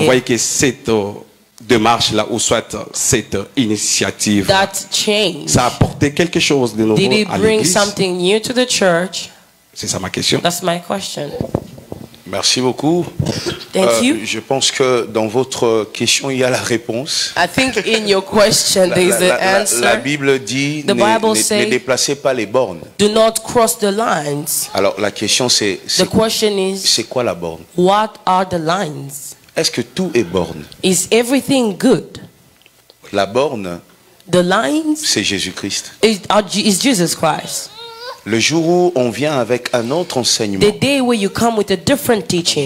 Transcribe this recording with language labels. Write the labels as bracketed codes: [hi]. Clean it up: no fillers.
[fr] vous voyez que cette démarche là ou soit cette initiative [en] that change, [fr] ça a apporté quelque chose de nouveau [en] did it bring [fr] à l'église [en] something new to the church? [fr] C'est ça ma question. [en] That's my question. [fr] Merci beaucoup. [en] Thank you. [fr] Je pense que dans votre question, il y a la réponse. [en] I think in your question there is an answer. [fr] La Bible dit, ne déplacez pas les bornes. [en] Do not cross the lines. [fr] Alors la question c'est quoi la borne? [en] What are the lines? [fr] Est-ce que tout est borne? [en] Is everything good? [fr] La borne, [en] the lines, [fr] c'est Jésus-Christ. [en] Is Jesus Christ. [fr] Le jour où on vient avec un autre enseignement, [en] the day where you come with a different teaching,